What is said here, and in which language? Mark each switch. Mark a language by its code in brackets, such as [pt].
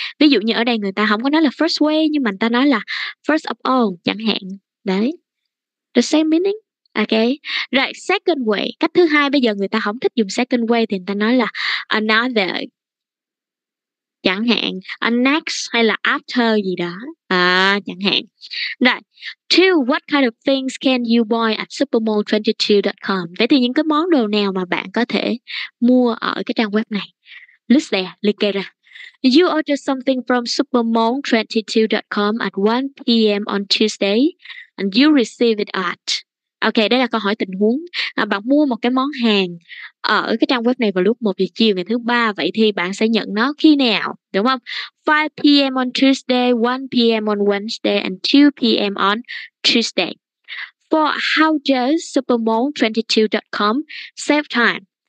[vi] Ví dụ như ở đây người ta không có nói là first way, nhưng mà người ta nói là first of all chẳng hạn. [en] Đấy, the same meaning. Ok, right, second way. [vi] Cách thứ hai, bây giờ người ta không thích dùng second way thì người ta nói là another, chẳng hạn, a next hay là after gì đó, à, chẳng hạn. [en] Right, two, what kind of things can you buy at supermall22.com? [vi] Vậy thì những cái món đồ nào mà bạn có thể mua ở cái trang web này? [en] List there, [vi] liệt kê ra. [en] You order something from supermall22.com at 1 p.m. on Tuesday and you receive it at... [vi] Ok, đây là câu hỏi tình huống. Bạn mua một cái món hàng ở cái trang web này vào lúc 1 giờ chiều ngày thứ 3. Vậy thì bạn sẽ nhận nó khi nào? Đúng không? [en] 5 p.m. on Tuesday, 1 p.m. on Wednesday and 2 p.m. on Tuesday. For how does supermall22.com save time?